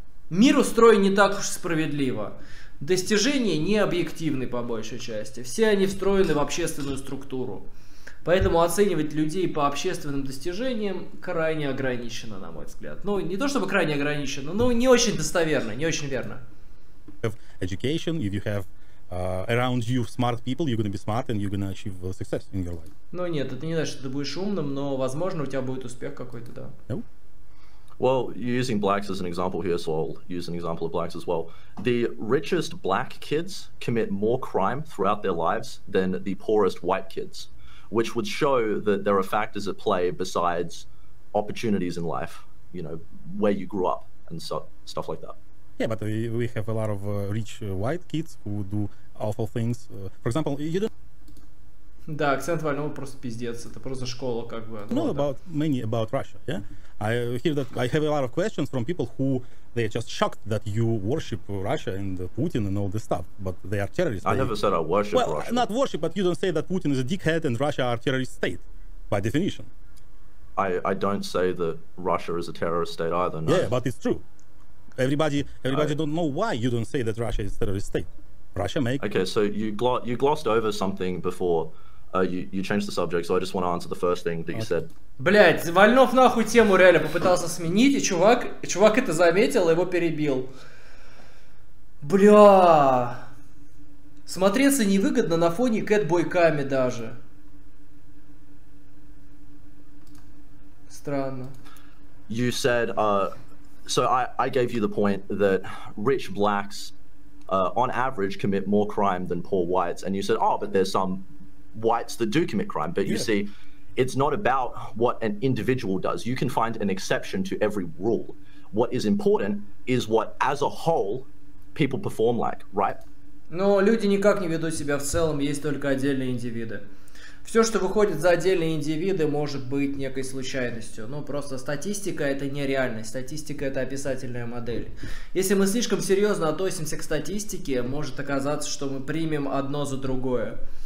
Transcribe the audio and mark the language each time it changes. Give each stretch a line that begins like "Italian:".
Russian: Мир устроен не так уж справедливо. Достижения не объективны по большей части. Все они встроены в общественную структуру. Поэтому оценивать людей по общественным достижениям крайне ограничено, на мой взгляд. Ну, не то чтобы крайне ограничено, но не очень достоверно, не очень верно.
English: Education, if you have around you smart people, you're gonna be smart and you're gonna achieve success in your life.
Russian: Ну нет, это не значит, что ты будешь умным, но возможно, у тебя будет успех какой-то, да.
English: No? Well, you're using blacks as an example here, so I'll use an example of blacks as well. The richest black kids commit more crime throughout their lives than the poorest white kids. Which would show that there are factors at play besides opportunities in life. you know, where you grew up and so, stuff like that. Yeah, but we have a lot of rich white kids who do awful things. For example, you don't...
Russian: Да, акцент вольного просто пиздец, это просто школа, как бы. Ну, вот
English: about так. Many about Russia, yeah? I hear that I have a lot of questions from people who they are just shocked that you worship Russia and Putin and all this stuff, but they are terrorists. I never said I worship Russia. Not worship, but you don't say that Putin is a dickhead and Russia are a terrorist state, by definition. I don't say that Russia is a terrorist state either, no. Yeah, but it's true. Everybody don't know why you don't say that Russia is a terrorist state. Russia make... Okay, so you glossed over something before. You changed the subject, so I just want to answer the first thing that you said.
Russian: Блять, Вольнов нахуй тему реально попытался сменить, и чувак это заметил, и его перебил. Бля, смотреться невыгодно на фоне кэтбойками даже. Странно.
English: You said, so I gave you the point that rich blacks, on average, commit more crime than poor whites, and you said, oh, but there's some whites that do commit crime, but you see, it's not about what an individual does. You can find an exception to every rule. What is important is what, as a whole, people perform like, right?
Russian: Но люди никак не ведут себя в целом, есть только отдельные индивиды. Все, что выходит за отдельные индивиды, может быть некой случайностью. Ну, просто статистика – это не реальность. Статистика – это описательная модель. Если мы слишком серьезно относимся к статистике, может оказаться, что мы примем одно за другое.